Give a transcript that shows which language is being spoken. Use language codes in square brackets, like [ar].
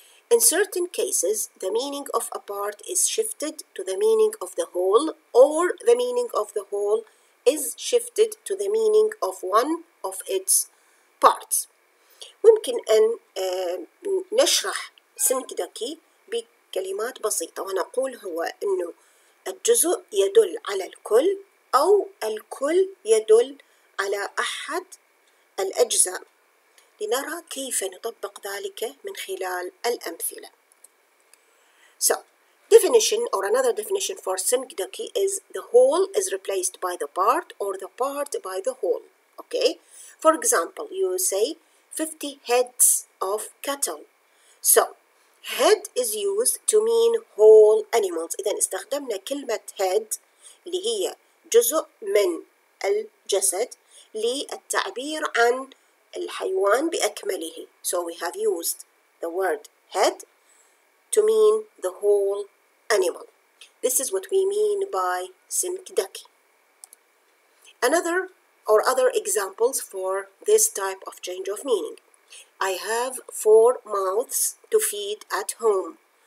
[en] In certain cases, the meaning of a part is shifted to the meaning of the whole, or the meaning of the whole is shifted to the meaning of one of its parts. [ar] ممكن أن نشرح سنكدكي بكلمات بسيطة ونقول هو أنه الجزء يدل على الكل أو الكل يدل على أحد الأجزاء. لنرى كيف نطبق ذلك من خلال الأمثلة. [en] So, definition or another definition for synecdoche is the whole is replaced by the part or the part by the whole. Okay? For example, you say 50 heads of cattle. So, head is used to mean whole animals. [ar] إذن استخدمنا كلمة head اللي هي جزء من الجسد للتعبير عن الحيوان بأكمله. [en] So we have used the word head to mean the whole animal. This is what we mean by synecdoche. Another or other examples for this type of change of meaning. I have four mouths to feed at home.